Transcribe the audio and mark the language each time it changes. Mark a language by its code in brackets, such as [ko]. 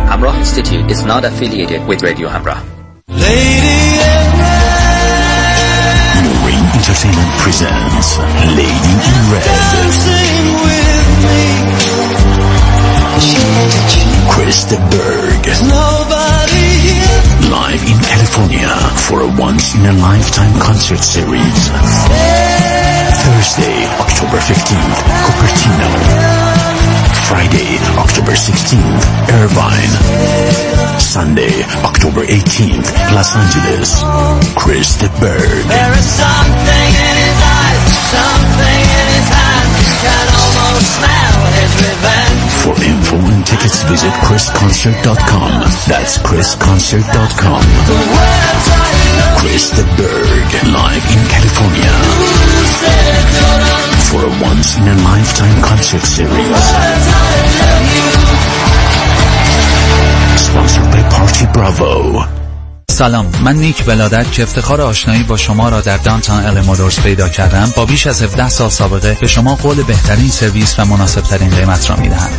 [en] همراه institute is not affiliated with radio همراه. Entertainment presents Lady in Red. Dancing with me. Krista Berg. Nobody here. Live in California for a once-in-a-lifetime concert series. Thursday, October 15th, Cupertino. Friday, October 16th, Irvine. Sunday, October 18th, Los Angeles. Krista Berg. There is something in his eyes, something in his hands. You can almost smell his revenge. For info and tickets, visit chrisconcert.com. That's chrisconcert.com. Krista Berg, live in California. For a once-in-a-lifetime concert series. Sponsored by Party Bravo. [fa] سلام، من نیک ولادت که افتخار آشنایی با شما را در دانتان الیمودورز پیدا کردم، با بیش از 17 سال سابقه به شما قول بهترین سرویس و مناسبترین قیمت را میدهم.